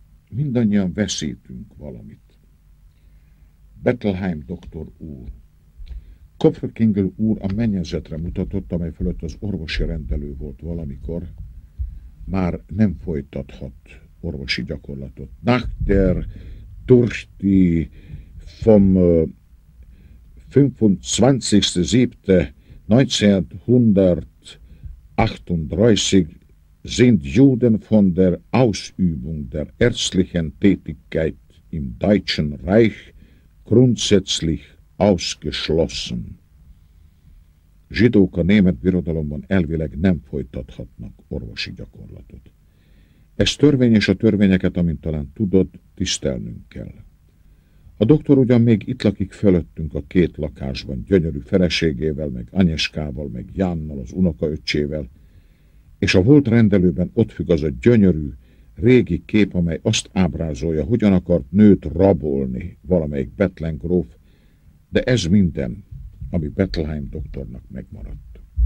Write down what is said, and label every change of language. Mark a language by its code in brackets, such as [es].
[hu] Mindannyian veszítünk valamit. Bettelheim doktor úr, Kofrukingl úr a mennyezetre mutatott, amely fölött az orvosi rendelő volt valamikor, már nem folytathat orvosi gyakorlatot. [de] Nach der Durchti vom 25.07.1938 sind Juden von der Ausübung der ärztlichen Tätigkeit im Deutschen Reich grundsätzlich ausgeschlossen. [hu] Zsidók a német birodalomban elvileg nem folytathatnak orvosi gyakorlatot. Ez törvény, és a törvényeket, amint talán tudod, tisztelnünk kell. A doktor ugyan még itt lakik fölöttünk a két lakásban, gyönyörű feleségével, meg Anyeskával, meg Jánnal, az unokaöccsével, és a volt rendelőben ott függ az a gyönyörű, régi kép, amely azt ábrázolja, hogyan akart nőt rabolni valamelyik Bethlen gróf, de ez minden, ami Bettelheim doktornak megmaradt.